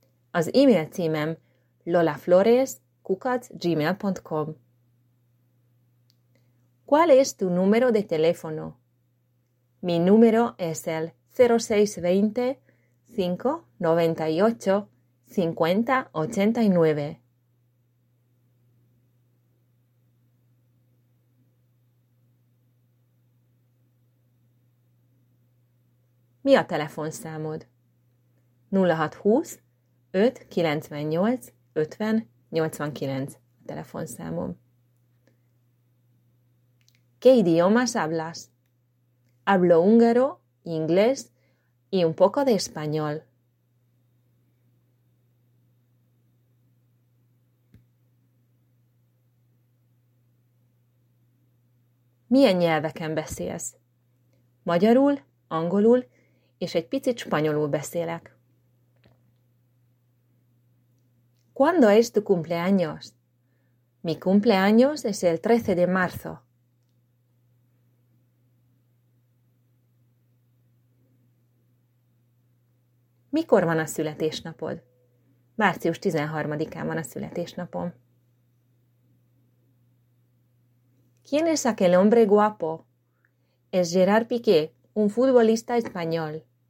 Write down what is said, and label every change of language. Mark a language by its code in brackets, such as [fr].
[hu] Az e-mail címem lolaflores@gmail.com. [es] ¿Cuál es tu número de teléfono? Mi número es el 0620-598-5089. [hu] Mi a telefonszámod? 0620-598-5089 a telefonszámom. [es] ¿Qué idiomas hablas? Hablo húngaro, inglés y un poco de español. [hu] Milyen nyelveken beszélsz? Magyarul, angolul, és egy picit spanyolul beszélek. [es] ¿Cuándo es tu cumpleaños? Mi cumpleaños es el 13 de marzo. [hu] Mikor van a születésnapod? Március 13-án van a születésnapom. [es] ¿Quién es aquel hombre guapo? Es Gerard Piqué, un futbolista español.